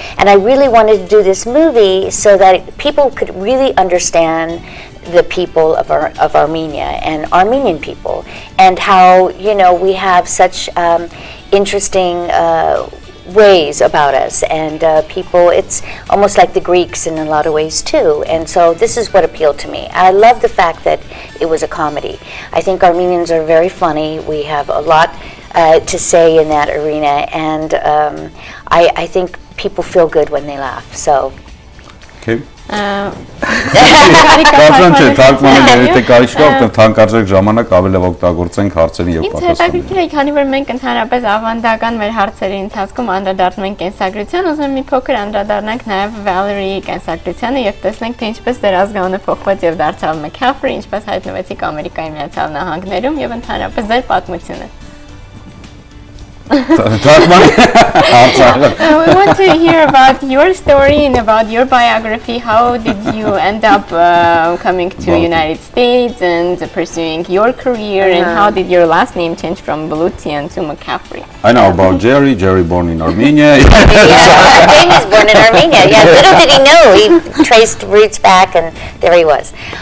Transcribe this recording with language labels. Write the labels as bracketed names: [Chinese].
[English] And I really wanted to do this movie so that people could really understand the people of Armenia and Armenian people, and how, you know, we have such interesting ways about us, and people, it's almost like the Greeks in a lot of ways too. And so this is what appealed to me. I love the fact that it was a comedy. I think Armenians are very funny. We have a lot to say in that arena, and I think people feel good when they laugh. So okay. [Armenian] Կարծեմ չէ, թարգմանը դերիտե կարիչ կա, որտեղ թանկարժեք ժամանակ ավելով օգտագործենք հարցերի եւ պատասխանների։ Ինձ հետաքրքիր է, քանի որ մենք ընդհանրապես ավանդական մեր հարցերի ընթացքում անդրադառնում ենք կենսագրության, ուզում եմ մի փոքր անդրադառնանք նաեւ Valerie-ի կենսագրությանը եւ տեսնենք, թե ինչպես ձեր ազգանունը փոխվեց եւ դարձավ McCaffrey, ինչպես հայտնվեցիք Ամերիկայի Միացյալ Նահանգներում եւ ընդհանրապես ձեր պատմությունը։ [English] We want to hear about your story and about your biography. How did you end up coming to United States and pursuing your career? And how did your last name change from Balutian to McCaffrey? I know about Jerry. Jerry born in Armenia. Yeah, James born in Armenia. Yeah, little did he know, he traced roots back, and there he was.